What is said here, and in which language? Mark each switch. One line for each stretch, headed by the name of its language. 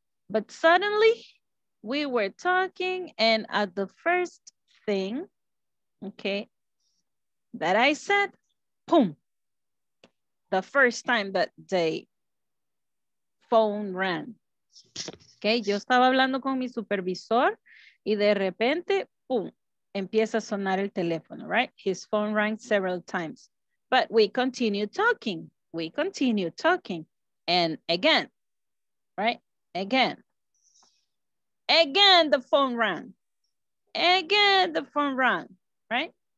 English: But suddenly we were talking and at the first thing, okay, that I said, boom, the first time that the phone rang.
Spanish: Okay, yo estaba hablando con mi supervisor y de repente, boom, empieza a sonar el teléfono, right?
English: His phone rang several times, but we continue talking. We continue talking and again, right? Again, again, the phone rang. Again, the phone rang, right?